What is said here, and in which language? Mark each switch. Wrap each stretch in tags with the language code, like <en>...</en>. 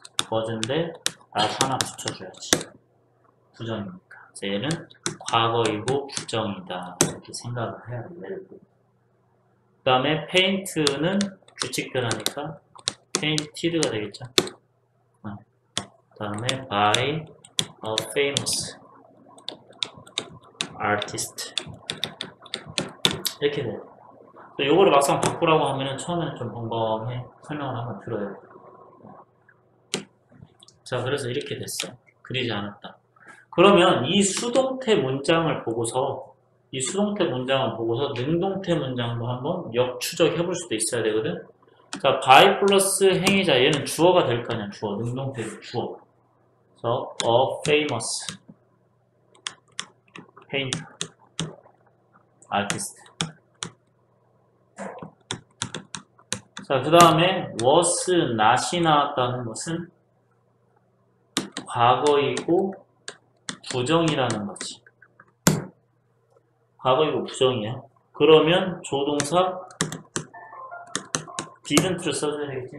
<ko>was인데 나 하나 붙여줘야지. 부정입니다. 얘는 과거이고 부정이다 이렇게 생각을 해야 돼. 그다음에 페인트는 규칙 변화니까 페인티드가 되겠죠. 그다음에 by a famous artist 이렇게 돼. 요거를 막상 바꾸라고 하면은 처음에는 좀 번거하게 설명을 한번 들어야 돼. 자, 그래서 이렇게 됐어. 그리지 않았다. 그러면 이 수동태 문장을 보고서, 이 수동태 문장을 보고서 능동태 문장도 한번 역추적 해볼 수도 있어야 되거든? 자, by 플러스 행위자, 얘는 주어가 될 거냐, 주어. 능동태 주어.</ko> <en>So, a famous painter, artist.</en> <ko>자, 그 다음에 was not이 나왔다는 것은 과거이고 부정이라는 거지. 과거이고 부정이야. 그러면 조동사 didn't를 써줘야 되겠지.</ko>